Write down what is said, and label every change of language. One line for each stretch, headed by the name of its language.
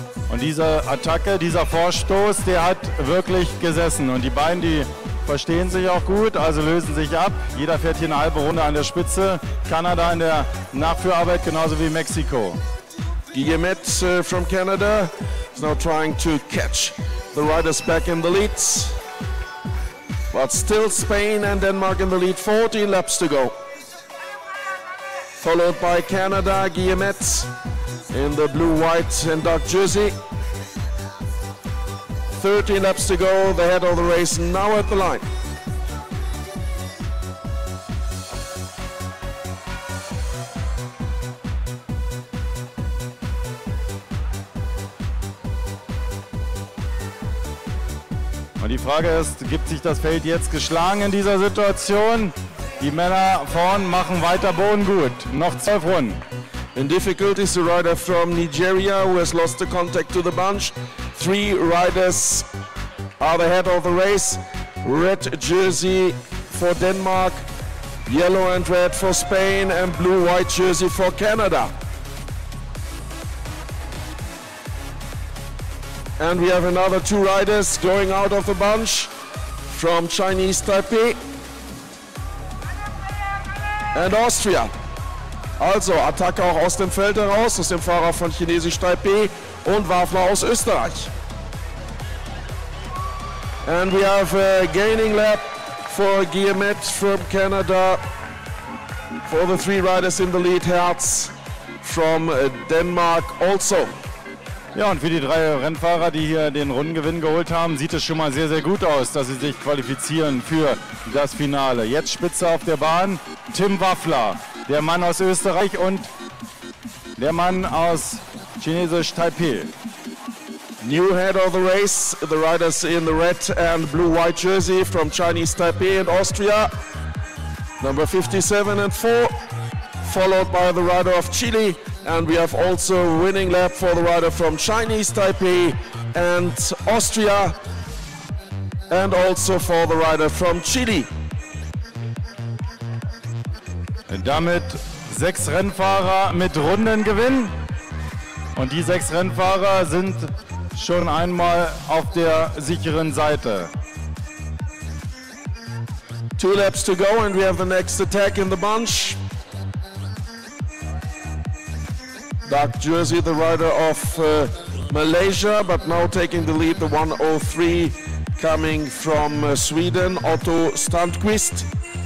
German: Und diese Attacke, dieser Vorstoß, der hat wirklich gesessen. Und die beiden, die verstehen sich auch gut, also lösen sich ab. Jeder fährt hier eine halbe Runde an der Spitze. Kanada in der Nachführarbeit, genauso wie Mexiko.
English: Guillemette from Canada is now trying to catch the riders back in the lead. But still Spain and Denmark in the lead, 14 laps to go. Followed by Canada, Guillemette in the blue, white and dark jersey. 13 laps to go, the head of the race now at the line.
German: Und die Frage ist, gibt sich das Feld jetzt geschlagen in dieser Situation? Die Männer vorn machen weiter bodengut. Noch 12 Runden.
English: In difficulties, the rider from Nigeria, who has lost the contact to the bunch. Three riders are the head of the race. Red jersey for Denmark, yellow and red for Spain, and blue-white jersey for Canada. And we have another two riders going out of the bunch from Chinese Taipei and Austria.
German: Also, Attacke auch aus dem Feld heraus, aus dem Fahrer von Chinesisch Taipei und Wafler aus Österreich.
English: And we have a gaining lap for Guillemette from Canada. For the three riders in the lead, Herz from Denmark also.
German: Ja, und für die drei Rennfahrer, die hier den Rundengewinn geholt haben, sieht es schon mal sehr, sehr gut aus, dass sie sich qualifizieren für das Finale. Jetzt Spitze auf der Bahn, Tim Wafler. Der Mann aus Österreich und der Mann aus Chinesisch Taipei.
English: New head of the race, the riders in the red and blue-white jersey from Chinese Taipei and Austria. number 57 and 4, followed by the rider of Chile. And we have also winning lap for the rider from Chinese Taipei and Austria, and also for the rider from Chile.
German: Und damit 6 Rennfahrer mit Rundengewinn. Und die 6 Rennfahrer sind schon einmal auf der sicheren Seite.
English: 2 laps to go and we have the next attack in the bunch. Dark jersey, the rider of Malaysia, but now taking the lead, the 103 coming from Sweden, Otto Strandqvist.